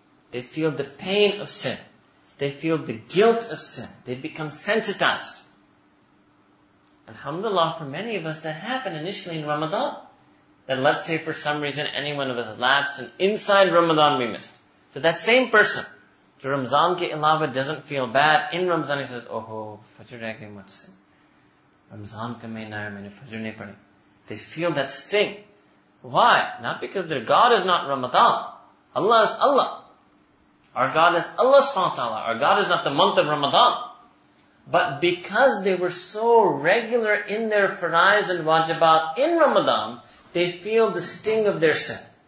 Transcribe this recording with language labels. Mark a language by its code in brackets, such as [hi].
[en] They feel the pain of sin. They feel the guilt of sin. They become sensitized. Alhamdulillah, for many of us, that happened initially in Ramadan. That let's say for some reason any one of us lapsed and inside Ramadan we missed. So that same person, [ur] to Ramzan ke ilawa, [en] doesn't feel bad. In Ramzan he says, [ur] اوہ ہو، فجر رہ گیا، مجھ سے۔ رمضان کا میں آیا، میں نے فجر نہیں پڑھی۔ [en] They feel that sting. Why? Not because their God is not Ramadan. Allah is Allah. Our God is Allah subhanahu wa ta'ala. Our God is not the month of Ramadan. But because they were so regular in their faraiz and wajibat in Ramadan, they feel the sting of their sin.